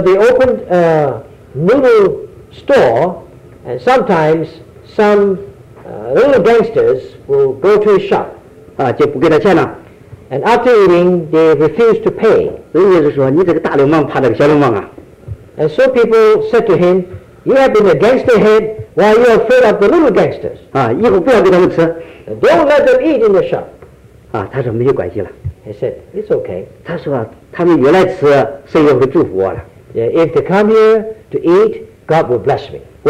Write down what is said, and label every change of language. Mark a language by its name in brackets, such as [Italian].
[English] they opened a noodle store, and sometimes some little gangsters will go to his shop. [Chinese] 就不给他钱了。 [English] And after eating, they refuse to pay. [Chinese] 人家就说你这个大流氓怕那个小流氓啊。 [English] And so people said to him, you have been a gangster head, why you are afraid of the little gangsters? [Chinese] 以后不要给他们吃。 [English] Don't let them eat in the shop. [Chinese] 他说没有关系了。 [English] He said, it's okay. [Chinese] 他说他们越来吃，神也会祝福我了。 [English] Yeah, if they come here to eat, God will bless me.